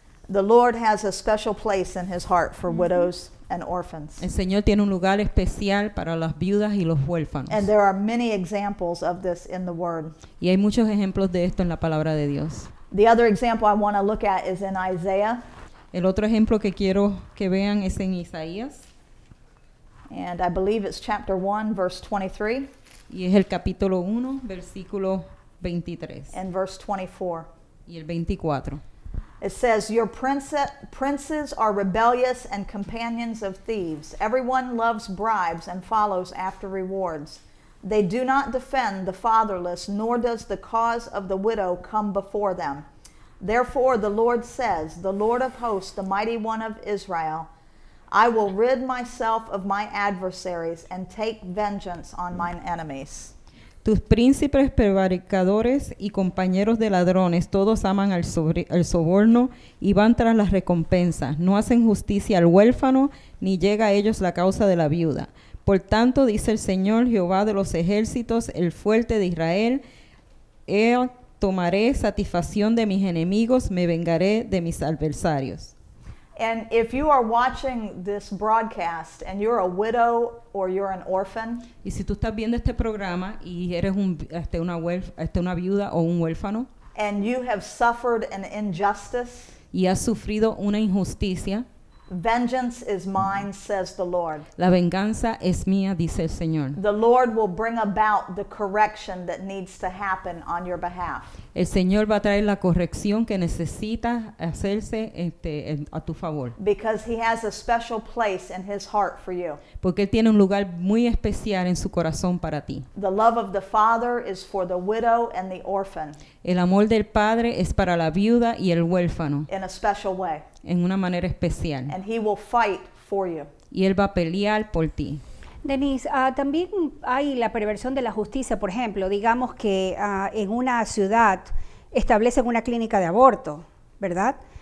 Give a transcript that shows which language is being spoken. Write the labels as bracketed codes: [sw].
[en] The Lord has a special place in his heart for widows and orphans. [es] El Señor tiene un lugar especial para las viudas y los huérfanos. [en] And there are many examples of this in the Word. [es] Y hay muchos ejemplos de esto en la palabra de Dios. [en] The other example I want to look at is in Isaiah. [es] El otro ejemplo que quiero que vean es en Isaías. [en] And I believe it's chapter 1, verse 23. [es] Y es el capítulo 1, versículo 23. [en] And verse 24. [es] Y el 24. [en] It says, "Your princes are rebellious and companions of thieves. Everyone loves bribes and follows after rewards. They do not defend the fatherless, nor does the cause of the widow come before them. Therefore, the Lord says, the Lord of hosts, the mighty one of Israel, I will rid myself of my adversaries and take vengeance on mine enemies." [es] Tus príncipes prevaricadores y compañeros de ladrones, todos aman el soborno y van tras las recompensas. No hacen justicia al huérfano, ni llega a ellos la causa de la viuda. Por tanto, dice el Señor Jehová de los ejércitos, el fuerte de Israel, he tomaré satisfacción de mis enemigos, me vengaré de mis adversarios. [en] And if you are watching this broadcast and you're a widow or you're an orphan, [es] y si tú estás viendo este programa y eres una viuda o un huérfano, [en] and you have suffered an injustice, [es] y has sufrido una injusticia, [en] "Vengeance is mine, says the Lord." [es] La venganza es mía, dice el Señor. [en] "The Lord will bring about the correction that needs to happen on your behalf." [es] El Señor va a traer la corrección que necesita hacerse a tu favor. [en] "Because he has a special place in his heart for you." [es] Porque él tiene un lugar muy especial en su corazón para ti. [en] "The love of the father is for the widow and the orphan." [es] El amor del padre es para la viuda y el huérfano. [en] "In a special way." [es] En una manera especial. [en] "And he will fight for you." [es] Y él va a pelear por ti. Denise, también hay la perversión de la justicia. Por ejemplo, digamos que en una ciudad establecen una clínica de aborto, ¿verdad?